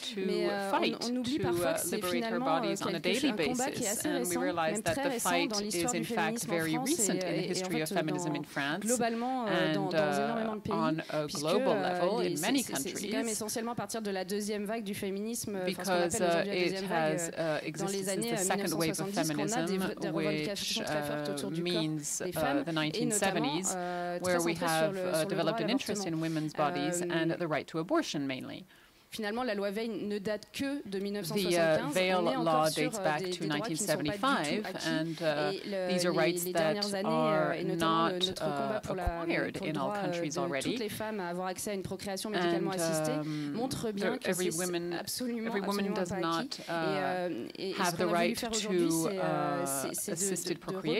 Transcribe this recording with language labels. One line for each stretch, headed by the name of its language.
French: Mais on oublie parfois que c'est finalement un combat qui est assez récent, même très récent dans l'histoire du féminisme en France et en fait, globalement dans énormément de pays, puisque c'est quand même essentiellement à partir de la deuxième vague du féminisme, enfin, ce qu'on appelle aujourd'hui la deuxième vague, dans les années 1970, qu'on a des revendications très fortes autour du corps des femmes, et notamment
English: Developed an interest in women's bodies and the right to abortion mainly.
French: Finalement, la loi Veil ne date que de 1975.
English: The Veil law dates back to 1975, and these are rights that are not acquired in all countries already.
French: Toutes les femmes à avoir accès à une procréation médicalement assistée montrent bien que c'est absolument pas acquis.
English: Every woman does not have the right to assisted procreation.